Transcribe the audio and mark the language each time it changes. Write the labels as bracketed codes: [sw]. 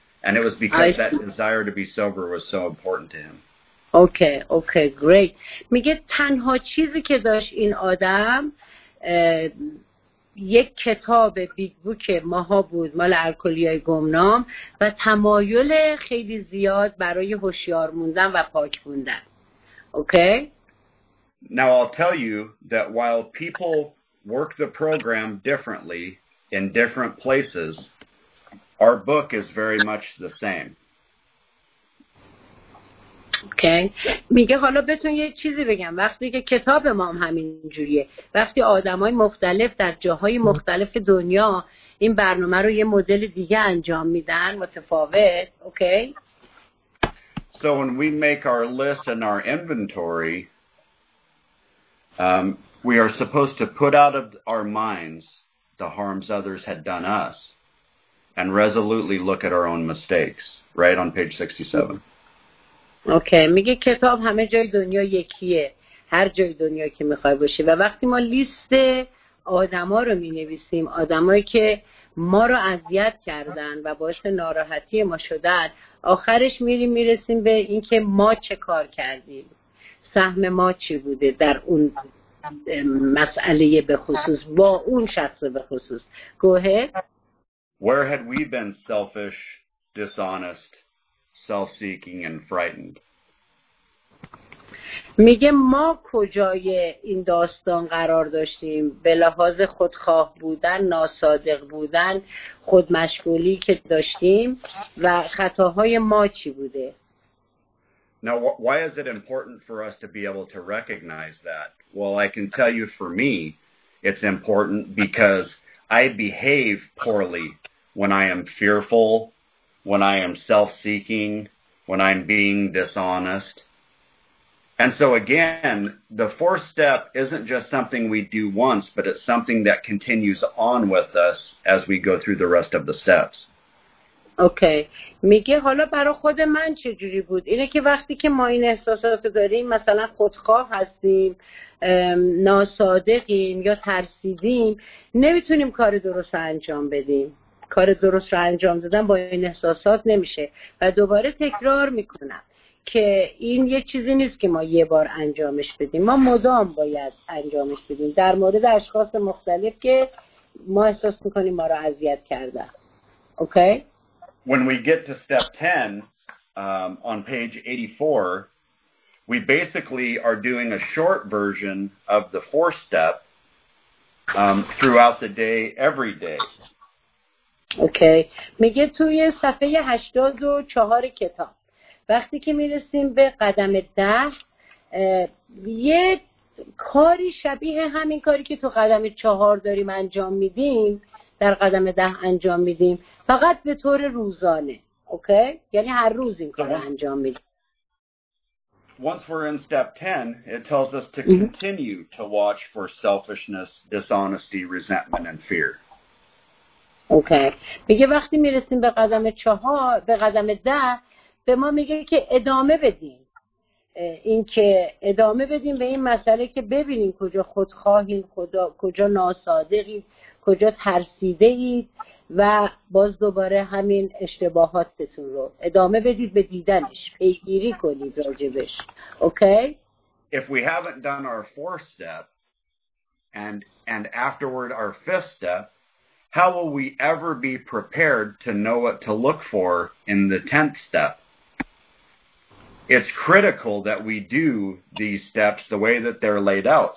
[en] And it was because that desire to be sober was so important to him. Okay, okay, great. [fa] میگه تنها چیزی که داشت این آدم یک کتاب بیگ بوک ماها بود مال الکلیای گمنام و تمایل خیلی زیاد برای هوشیار موندن و پاک موندن. [en] Okay? Now I'll tell you that while people work the program differently in different places, our book is very much the same. [fa] اوکی میگه حالا بتون یه چیزی بگم وقتی که کتاب ما هم همینجوریه وقتی آدم های مختلف در جاهای مختلف دنیا این برنامه رو یه مدل دیگه انجام میدن متفاوت اوکی [en] So when we make our list and our inventory we are supposed to put out of our minds the harms others had done us and resolutely look at our own mistakes right on page 67 [fa] اوکی میگه کتاب همه جای دنیا یکیه هر جای دنیا که میخوای باشه و وقتی ما لیست آدما رو مینویسیم آدمایی که ما رو اذیت کردن و باعث ناراحتی ما شدن آخرش میریم میرسیم به اینکه ما چه کار کردیم سهم ما چی بوده در اون مسئله به خصوص با اون شخص به خصوص گوهه [en] Where had we been selfish, dishonest? Self-seeking and frightened. [fa] میگه ما کجای این داستان قرار داشتیم به لحاظ خودخواه بودن ناصادق بودن خودمشغولی که داشتیم و خطاهای ما چی بوده [en] Now why is it important for us to be able to recognize that? Well, I can tell you for me it's important because I behave poorly when I am fearful when I am self-seeking, when I'm being dishonest. And so again, the fourth step isn't just something we do once, but it's something that continues on with us as we go through the rest of the steps. [fa] اوکی میگه حالا برای خود من چه جوری بود اینه که وقتی که ما این احساسات رو داریم مثلا خودخواه هستیم ناصادقیم یا ترسیدیم نمیتونیم کار درست انجام بدیم کار درست رو انجام دادن با این احساسات نمیشه و دوباره تکرار میکنم که این یه چیزی نیست که ما یه بار انجامش بدیم ما مدام باید انجامش بدیم در مورد اشخاص مختلف که ما احساس میکنیم ما رو اذیت کردن اوکی [en] When we get to step 10 on page 84 we basically are doing a short version of the fourth step throughout the day every day [fa] اوکی میگه توی صفحه 84 کتاب وقتی که میرسیم به قدم 10 یه کاری شبیه همین کاری که تو قدم 4 داریم انجام میدیم در قدم 10 انجام میدیم فقط به طور روزانه اوکی یعنی هر روز این کارو انجام میدیم. [en] Once we're in step 10, it tells us to continue to watch for selfishness, dishonesty, resentment, and fear. Okay. [fa] میگه وقتی میرسیم به قدم 4، به قدم 10، به ما میگه که ادامه بدیم. این که ادامه بدیم به این مسئله که ببینیم کجا خودخواهیم، کجا ناصادقیم، کجا ترسیده اید و باز دوباره همین اشتباهاتتون رو ادامه بدید به دیدنش، پیگیری کنید راجبش. [en] Okay? If we haven't done our fourth step and afterward our fifth step, how will we ever be prepared to know what to look for in the tenth step? It's critical that we do these steps the way that they're laid out.